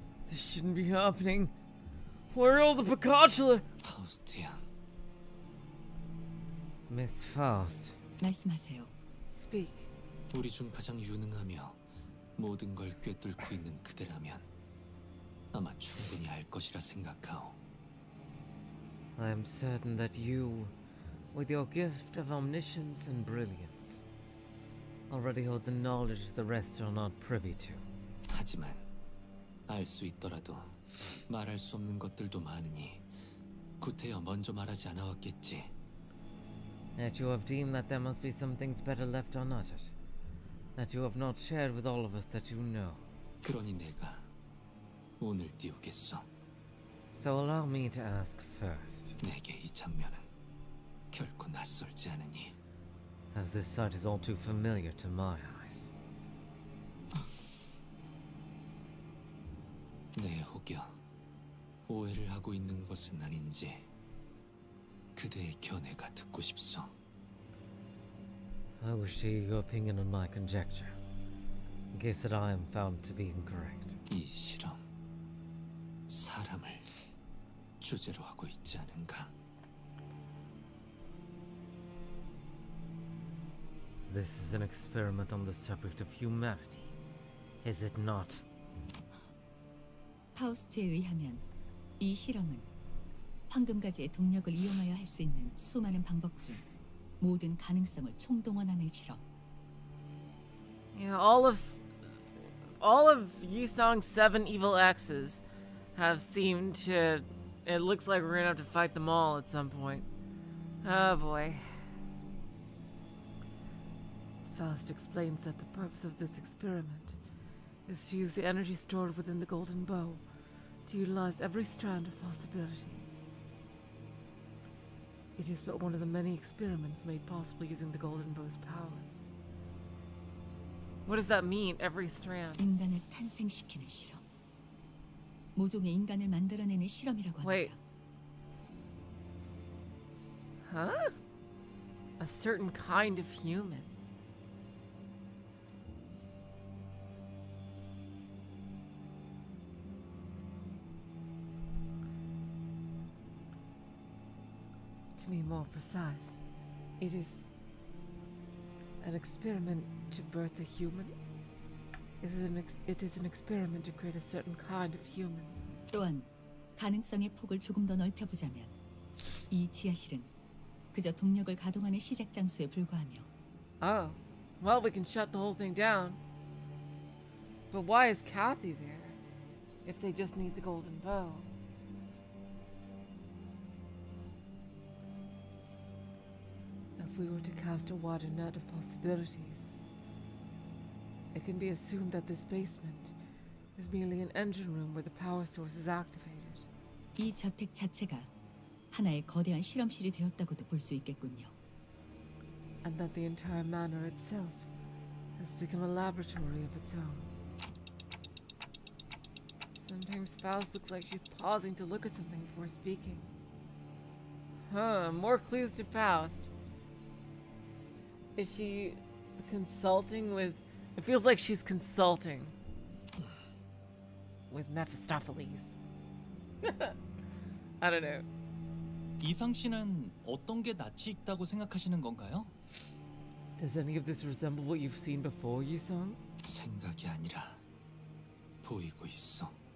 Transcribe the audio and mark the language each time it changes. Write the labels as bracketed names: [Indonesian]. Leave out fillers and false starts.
[English] This shouldn't be happening. Where are all the Pikachu? Faustia. Miss Faust. [Korean] 말씀하세요. [English] Speak. [Korean] 우리 중 가장 유능하며 모든 걸 꿰뚫고 있는 그대라면 아마 충분히 알 것이라 생각하오. [English] I am certain that you, with your gift of omniscience and brilliance, already hold the knowledge the rest are not privy to. [Korean] 하지만 알 수 있더라도 말할 수 없는 것들도 많으니 구태여 먼저 말하지 않아왔겠지. [English] Yet you have deemed that there must be some things better left unuttered. That you have not shared with all of us that you know. [Korean] 그러니 내가 오늘 띄우겠어. [English] So allow me to ask first. [Korean] 내게 이 장면은 결코 낯설지 않으니. [English] As this sight is all too familiar to my eyes. [Korean] 내 혹여 오해를 하고 있는 것은 아닌지 그대의 견해가 듣고 싶소. [English] I wish to hear your opinion on my conjecture. In case that I am found to be incorrect. [Korean] 이 실험 사람을 주제로 하고 있지 않은가? [English] This is an experiment on the subject of humanity, is it not? [Korean] 파우스트에 의하면 이 실험은 황금가지의 동력을 이용하여 할 수 있는 수많은 방법 중 모든 가능성을 총동원하는 실험. [English] Yeah, all of Yusong's seven evil axes have seemed to... It looks like we're gonna have to fight them all at some point. Oh boy. Faust explains that the purpose of this experiment is to use the energy stored within the golden bow to utilize every strand of possibility. It is but one of the many experiments made possible using the golden bow's powers. What does that mean, every strand? [Korean] 인간을 탄생시키는 실험. 모종의 인간을 만들어내는 실험이라고 합니다. [English] Wait. Huh? A certain kind of human. To be more precise, it is an experiment to birth a human. It is an experiment to create a certain kind of human. [Korean] 또한 가능성의 폭을 조금 더 넓혀보자면, 이 지하실은 그저 동력을 가동하는 시작 장소에 불과하며. [English] Oh, well, we can shut the whole thing down. But why is Cathy there? If they just need the golden bow. If we were to cast a wider net of possibilities, it can be assumed that this basement is merely an engine room where the power source is activated. [Korean] 이 저택 자체가 하나의 거대한 실험실이 되었다고도 볼 수 있겠군요. [English] And that the entire manor itself has become a laboratory of its own. Sometimes Faust looks like she's pausing to look at something before speaking. Huh, more clues to Faust. Is she consulting with... It feels like she's consulting with Mephistopheles. I don't know. [Korean] 이상 씨는 어떤 게 낯이 익다고 생각하시는 건가요? [English] Does any of this resemble what you've seen before, Yisung? [Korean] 생각이 아니라 보이고 있어.